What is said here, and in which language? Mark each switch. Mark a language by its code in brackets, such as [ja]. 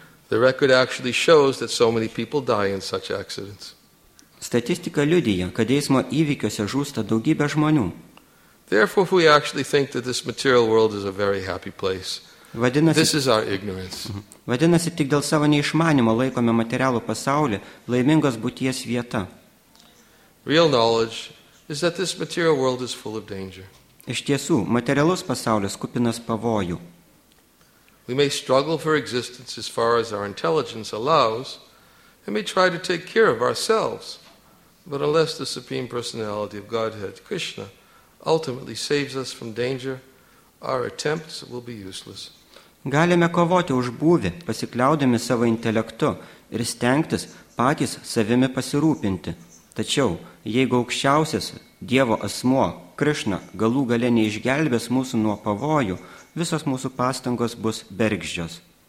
[en] The record actually shows that so many people die in such accidents. [lt] Statistika liudija, kad eismo įvykiuose žūsta daugybė žmonių. [en] Therefore, we actually think that this material world is a very happy place. [lt] Vadinasi, tik dėl savo neišmanimo laikome materialų pasaulį laimingos būties vieta. [en] Real knowledge is that this material world is full of danger. [lt] Iš tiesų, materialus pasaulis kupinas pavojų. [en] We may struggle for existence as far as our intelligence allows, and may try to take care of ourselves. But unless the Supreme Personality of Godhead, Krishna, ultimately saves us from danger, our attempts will be useless. [lt] Galime kovoti už būvį, pasikliaudami savo intelektu ir stengtis patys savimi pasirūpinti. Tačiau, jeigu aukščiausias Dievo asmuo, Krišna, galų gale neišgelbės mūsų nuo pavojų, visos mūsų pastangos bus bergždžios.